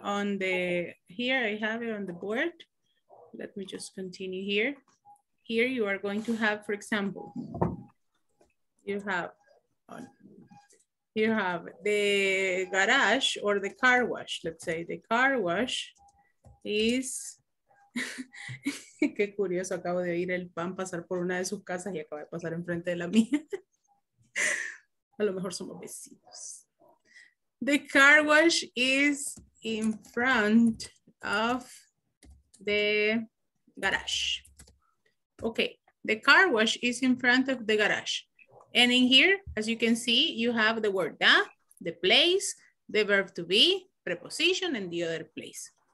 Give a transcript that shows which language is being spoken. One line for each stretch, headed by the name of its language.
English: On the here, I have it on the board. Let me just continue here. Here you are going to have, for example, you have the garage or the car wash. Let's say the car wash is.
Spanish: Qué curioso, acabo de oír el pan pasar por una de sus casas y acaba de pasar enfrente de la mía. A lo mejor somos vecinos.
English: The car wash is in front of the garage. Okay, the car wash is in front of the garage. And in here, as you can see, you have the word the place, the verb to be, preposition, and the other place.